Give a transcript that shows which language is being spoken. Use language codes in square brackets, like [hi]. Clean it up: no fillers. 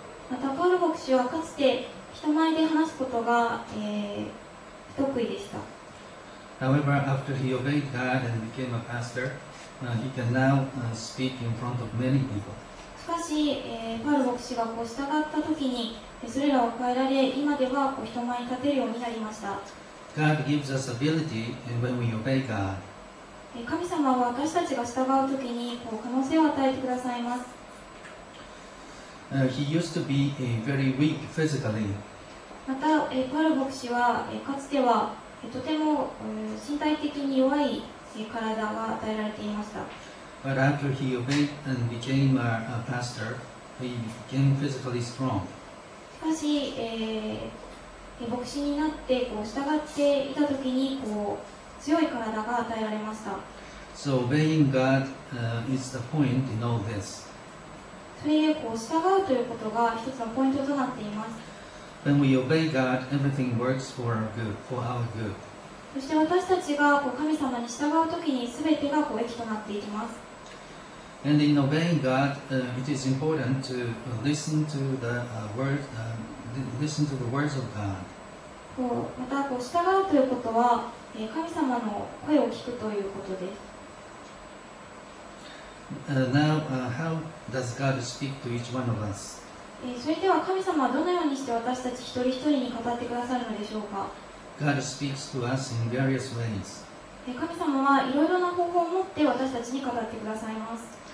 [ja] またパウロ牧師はかつて人前で話すことが、不得意でした。 [en] However, after he obeyed God and became a pastor, he can now speak in front of many people. [ja] しかし、パウロ牧師がこう従った時に、それらを変えられ、今ではこう人前に立てるようになりました。 [en] God gives us ability when we obey God. [ja] 神様は私たちが従う時にこう可能性を与えてくださいます。 [en] He used to be very weak physically. [ja] また、パウロ牧師は、かつては、とても、身体的に弱い、体が与えられていました。 [en] But after he obeyed and became a pastor, he became physically strong. [ja] しかし、牧師になってこう従っていたときにこう強い体が与えられました。 [en] So obeying God, is the point in all this. [ja] それでこう従うということが一つのポイントとなっています。 [en] When we obey God, everything works for our good, for our good. [ja] そして私たちがこう神様に従うときに全てがこう益となっていきます。 [en] And in obeying God, it is important to listen to the word, listen to the words of God. [ja] こうまたこう従うということは、神様の声を聞くということです。 [en] How does God speak to each one of us? [ja] それでは神様はどのようにして私たち一人一人に語ってくださるのでしょうか? [en] God speaks to us in various ways. [ja] 神様はいろいろな方法を持って私たちに語ってくださいます。